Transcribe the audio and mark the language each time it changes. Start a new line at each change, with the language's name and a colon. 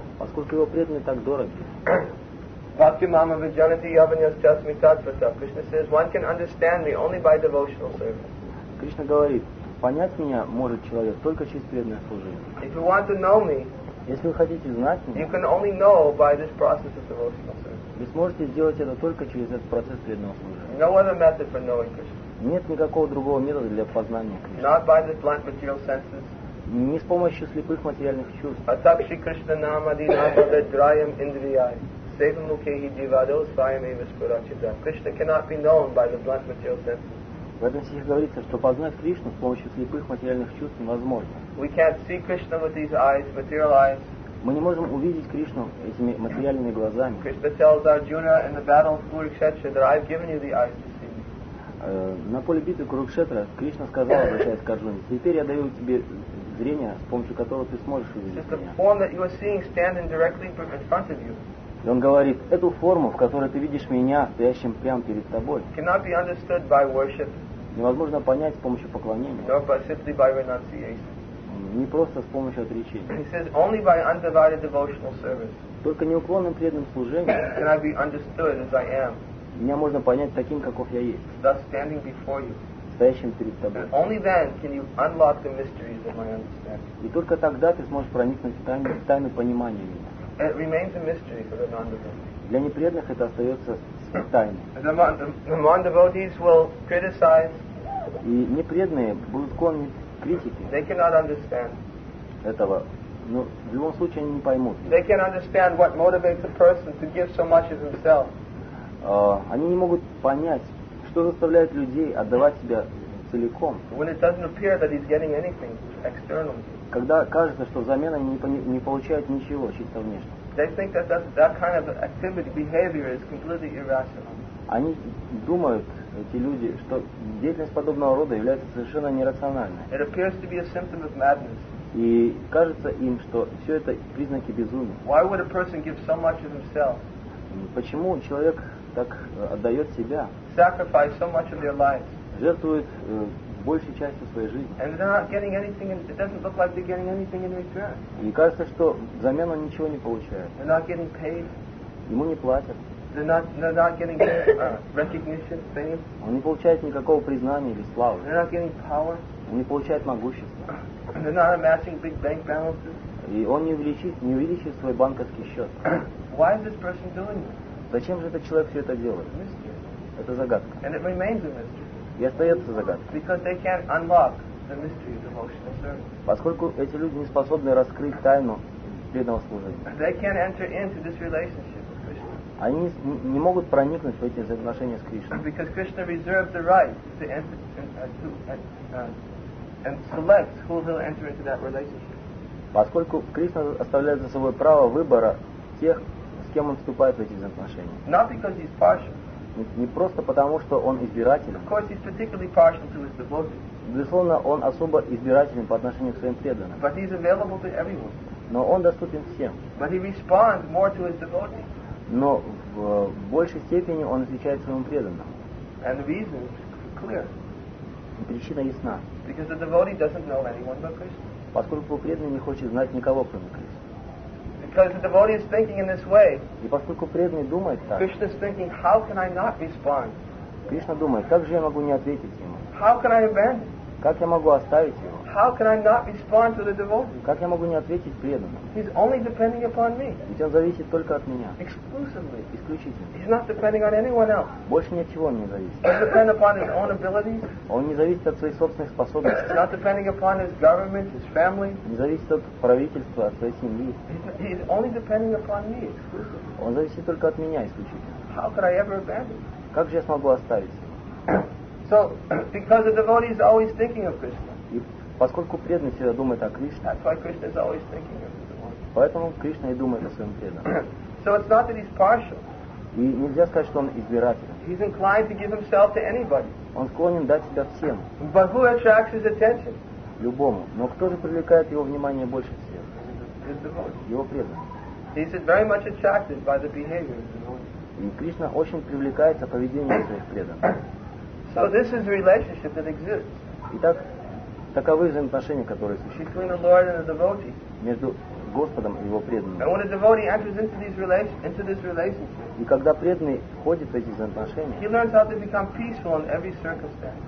Russian: Поскольку его преданные так дороги.
Sanskrit: Bhakti Mama Vijanati Yavanyas Chasmi Tatvata.
English: Krishna says, one can understand me only by devotional service.
Russian: Krishna говорит, понять меня может человек только через преданное служение.
English: If you want to know me,
Russian: если вы хотите знать меня,
English: you can only know by this process of devotional service.
Russian: Вы сможете сделать это только через этот процесс преданного служения.
English: No other method for knowing Krishna.
Russian: Нет никакого другого метода для познания Кришны.
English: Not by the blunt material senses.
Russian: Не с помощью слепых материальных чувств.
Sanskrit: Atakshi Krishna Namadi Namada Drayam Indriyai.
English: Krishna cannot be known by the blunt material senses.
Russian: В этом стихе говорится, что познать Кришну с помощью слепых материальных чувств невозможно.
English: We can't see Krishna with these eyes, material eyes.
Russian: Мы не можем увидеть Кришну этими материальными глазами.
English: Krishna tells Arjuna in the battle of Kurukshetra that I've given you the eyes to see.
Russian: На поле битвы Курукшетра Кришна сказал, обращаясь к Арджуне, теперь я даю тебе зрение, с помощью которого ты сможешь увидеть меня.
English: It's the form that you are seeing standing directly in front of you.
Russian: И он говорит, эту форму, в которой ты видишь меня, стоящим прямо перед тобой,
English: cannot be understood by worship,
Russian: невозможно понять с помощью поклонения,
English: nor by simply by renunciation.
Russian: Не просто с помощью отречения.
English: He says, only by undivided devotional service,
Russian: только неуклонным преданным служением,
English: can I be understood as I am,
Russian: меня можно понять таким, каков я есть,
English: thus standing before you,
Russian: стоящим перед тобой.
English: And only then can you unlock the mysteries of my understanding.
Russian: И только тогда ты сможешь проникнуть в тайны понимания меня.
English: It remains a mystery for the non-devotees.
Russian: Для непреданных это остается тайной.
English: The non-devotees will criticize.
Russian: И непреданные будут склонны к критике.
English: They cannot understand.
Russian: Этого. Но в любом случае они не поймут.
English: They can't understand what motivates a person to give so much of himself.
Russian: Они не могут понять, что заставляет людей отдавать себя целиком.
English: When it doesn't appear that he's getting anything externally.
Russian: Когда кажется, что взамен они не получают ничего, чисто внешне.
English: They think that that kind of activity behavior is completely irrational.
Russian: Они думают, эти люди, что деятельность подобного рода является совершенно нерациональной.
English: It appears to be a symptom of madness.
Russian: И кажется им, что все это признаки безумия.
English: Why would a person give so much of himself?
Russian: Почему человек так отдает себя?
English: Sacrifice so much of their lives.
Russian: Жертвует большей частью своей жизни.
English: And they're not getting anything, it doesn't look like they're getting anything in return.
Russian: И кажется, что взамен он ничего не получает.
English: They're not getting paid.
Russian: Ему не платят.
English: They're not getting recognition, fame.
Russian: Он не получает никакого признания или славы.
English: They're not getting power.
Russian: Он не получает могущества.
English: And they're not amassing big bank balances.
Russian: И он не увеличит свой банковский счет.
English: Why is this person doing this?
Russian: Зачем же этот человек все это делает?
English: Mystery.
Russian: Это загадка.
English: And it remains a mystery.
Russian: И остается загадкой.
English: Because they can't unlock the mystery of devotional service.
Russian: Поскольку эти люди не способны раскрыть тайну преданного служения.
English: They can't enter into this relationship with Krishna.
Russian: Они не могут проникнуть в эти взаимоотношения с Кришной.
English: Because Krishna reserved the right to enter and select who he'll enter into that relationship.
Russian: Поскольку Кришна оставляет за собой право выбора тех, с кем он вступает в эти взаимоотношения.
English: Not because he's partial.
Russian: Не просто потому, что он избирательный.
English: Of course, he's particularly partial to his devotees.
Russian: Безусловно, он особо избирательный по отношению к своим преданным.
English: But he's available to everyone.
Russian: Но он доступен всем.
English: But he responds more to his devotees.
Russian: Но в большей степени он отвечает своим преданным.
English: And the reason is clear.
Russian: Причина ясна.
English: Because the devotee doesn't know anyone but Krishna.
Russian: Поскольку преданный не хочет знать никого, кроме Кришны.
English: Because the devotee is thinking in this way,
Russian: и поскольку преданный думает так,
English: Krishna is thinking, how can I not respond?
Russian: Кришна думает, как же я могу не ответить ему?
English: How can I abandon?
Russian: Как я могу оставить его?
English: How can I not respond to the devotee?
Russian: Как я могу не ответить преданному?
English: He's only depending upon me.
Russian: Ведь он зависит только от меня.
English: Exclusively.
Russian: Исключительно.
English: He's not depending on anyone else.
Russian: Больше ни от чего он не зависит.
English: He's depending upon his own abilities.
Russian: Он не зависит от своих собственных способностей.
English: He's not depending upon his government, his family.
Russian: Не зависит от правительства, от своей семьи.
English: He's only depending upon me, exclusively.
Russian: Он зависит только от меня, исключительно.
English: How could I ever abandon?
Russian: Как же я смогу оставить его?
English: So, because the devotee is always thinking of Krishna.
Russian: И поскольку преданный всегда думает о Кришне.
English: That's why Krishna is always thinking of the devotee.
Russian: Поэтому Кришна и думает о своем преданном.
English: So it's not that he's partial.
Russian: И нельзя сказать, что он избирателен.
English: He's inclined to give himself to anybody.
Russian: Он склонен дать себя всем.
English: But who attracts his attention?
Russian: Любому. Но кто же привлекает его внимание больше всех?
English: The devotee.
Russian: Его преданный.
English: He's very much attracted by the behavior of the devotee.
Russian: И Кришна очень привлекается поведением своих преданных.
English: So this is the relationship that exists.
Russian: Итак, таковы взаимоотношения, которые существуют.
English: Between the Lord and the devotee.
Russian: Между Господом и его преданным.
English: And when a devotee enters into these relationship.
Russian: И когда преданный входит в эти взаимоотношения.
English: He learns how to become peaceful in every circumstance.